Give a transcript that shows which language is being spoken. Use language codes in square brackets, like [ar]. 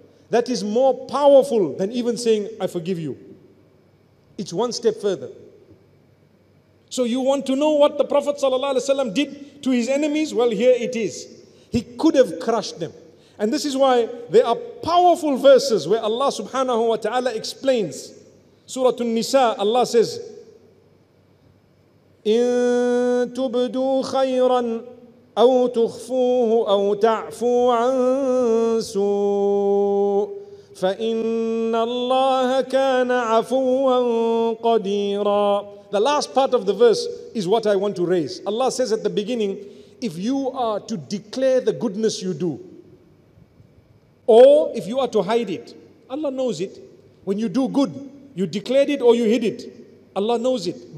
[en] That is more powerful than even saying, I forgive you. It's one step further. So you want to know what the Prophet sallallahu alaihi wasallam did to his enemies? Well, here it is. He could have crushed them. And this is why there are powerful verses where Allah subhanahu wa ta'ala explains. [ar] Surah An-Nisa, [en] Allah says, [ar] إِن تُبْدُوا خَيْرًا أَوْ تُخْفُوهُ أَوْ تَعْفُوا عَنْ سُوءٍ فَإِنَّ اللَّهَ كَانَ عَفُوًا قَدِيرًا. [en] The last part of the verse is what I want to raise. Allah says at the beginning, if you are to declare the goodness you do, or if you are to hide it, Allah knows it. When you do good, you declared it or you hid it, Allah knows it.